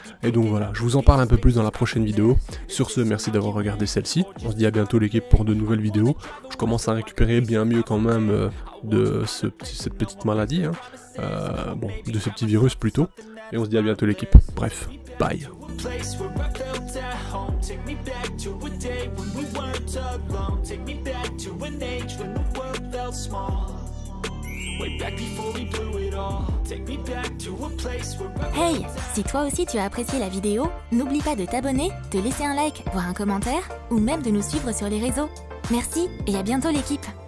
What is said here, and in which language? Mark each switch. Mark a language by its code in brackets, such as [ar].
[fr] Et donc voilà, je vous en parle un peu plus dans la prochaine vidéo. Sur ce, merci d'avoir regardé celle-ci. On se dit à bientôt l'équipe pour de nouvelles vidéos. Je commence à récupérer bien mieux quand même de cette petite maladie, hein. De ce petit virus plutôt. Et on se dit à bientôt l'équipe. Bref, bye. [en] Place where I felt at home. Take me back to a day when we weren't alone. Take me back to an age when the world felt small. Way back before we blew it all. Take me back to a place where I... [fr] Hey, si toi aussi tu as apprécié la vidéo, n'oublie pas de t'abonner, de laisser un like, voire un commentaire, ou même de nous suivre sur les réseaux. Merci et à bientôt l'équipe.